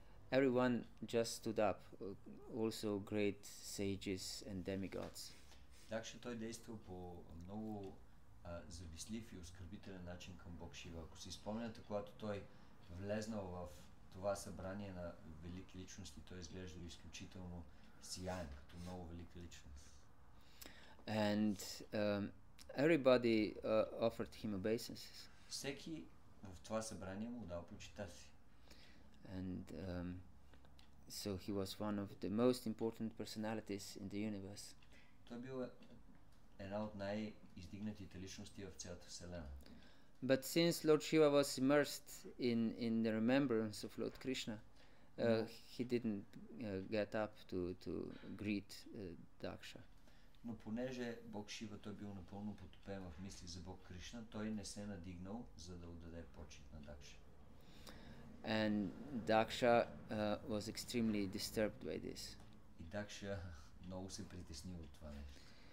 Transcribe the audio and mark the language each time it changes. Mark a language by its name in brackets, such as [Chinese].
[English] Everyone just stood up, also great sages and demigods. [Bulgarian] Daksa той действал по много завистлив и оскърбителен начин към Бог Шива. Ако си спомняте, когато той влезнал в това събрание на велики личности, той изглеждал изключително сиян, като много велика личност. [English] And everybody offered him obeisances. [Bulgarian] Всеки в това събрание му дал почита си. [English] And so he was one of the most important personalities in the universe. [Bulgarian] Той бил една от най-издигнатите личности в цялата вселена. [English] But since Lord Shiva was immersed in the remembrance of Lord Krishna, he didn't get up to greet Daksa. [Bulgarian] Но понеже Бог Шива той бил напълно потопен в мисли за Бог Кришна, той не се надигнал, за да отдаде почет на Дакша. [English] And Daksa was extremely disturbed by this. [Bulgarian] И Даксха много се притеснил от това нещо.